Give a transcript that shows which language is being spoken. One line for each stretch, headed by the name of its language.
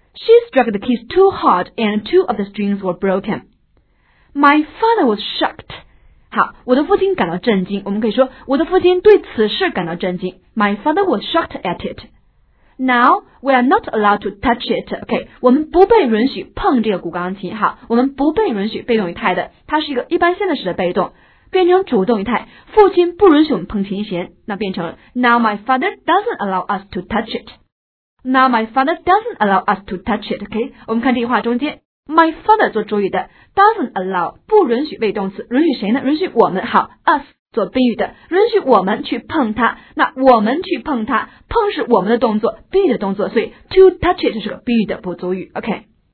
English: She struck the keys too hard and two of the strings were broken. My father was shocked.
Chinese: 好我的父亲感到震惊我们可以说我的父亲对此事感到震惊。
English: My father was shocked at it. Now, we are not allowed to touch it.
Chinese: OK, 我们不被允许碰这个古钢琴。好我们不被允许被动语态的它是一个一般现在时的被动。变成主动语态父亲不允许我们碰琴弦那变成了
English: Now my father doesn't allow us to touch it Now my father doesn't allow us to touch it
Chinese: OK 我们看这句话中间 My father 做主语的 doesn't allow 不允许被动词允许谁呢允许我们好 us 做宾语的允许我们去碰它那我们去碰它碰是我们的动作宾语的动作所以 to touch it 是个宾语的不足语 OK